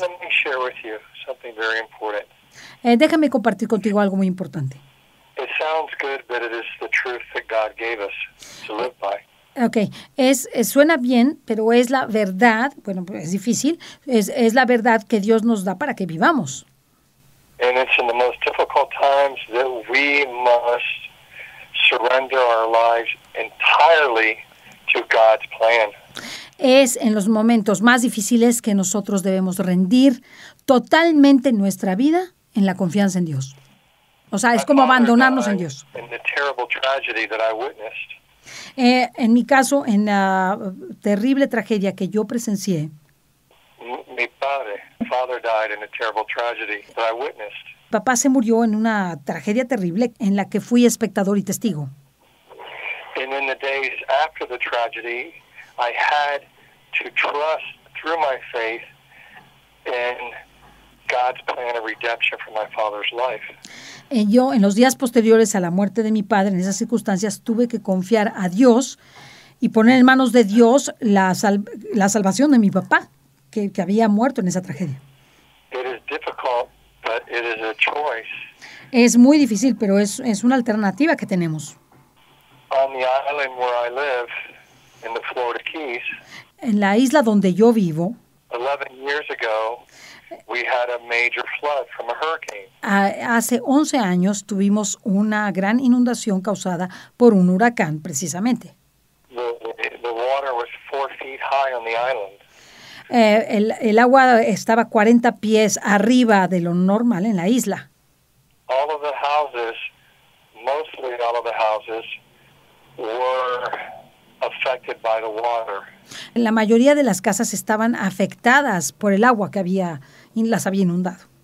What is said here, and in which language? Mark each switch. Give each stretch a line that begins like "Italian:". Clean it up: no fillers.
English: Let me share with you something very important.
Spanish: Déjame compartir contigo algo muy importante.
English: It sounds good, but it is the truth that God gave us to live by.
Spanish: Okay, suena bien, pero es la verdad, bueno, es difícil, es la verdad que Dios nos da para que vivamos.
English: And it's in the most difficult times that we must surrender our lives entirely to God's plan.
Spanish: Es en los momentos más difíciles que nosotros debemos rendir totalmente nuestra vida en la confianza en Dios. O sea, es como abandonarnos en Dios.
English: In the terrible tragedy that I witnessed.
Spanish: En mi caso, en la terrible tragedia que yo presencié, mi padre
English: died in a terrible tragedy that I witnessed.
Spanish: Papá se murió en una tragedia terrible en la que fui espectador y testigo.
English: And in the days after the tragedy, I had to trust through my faith in God's plan of redemption for my father's life.
Spanish: Yo, en los días posteriores a la muerte de mi padre, en esas circunstancias, tuve que confiar a Dios y poner en manos de Dios la salvación de mi papá, que había muerto en esa tragedia.
English: It is difficult, but it is a choice.
Spanish: Es muy difícil, pero es una alternativa que tenemos.
English: On the island where I live, in the Florida Keys,
Spanish: en la isla donde yo vivo,
English: 11 years ago, we had a major flood from a hurricane.
Spanish: Hace 11 años tuvimos una gran inundación causada por un huracán, precisamente.
English: The water was 4 feet high on the island.
Spanish: El agua estaba 40 pies arriba de lo normal en la isla.
English: All of the houses, mostly all of the houses, were affected by the water.
Spanish: La mayoría de las casas estaban afectadas por el agua que había, las había inundado.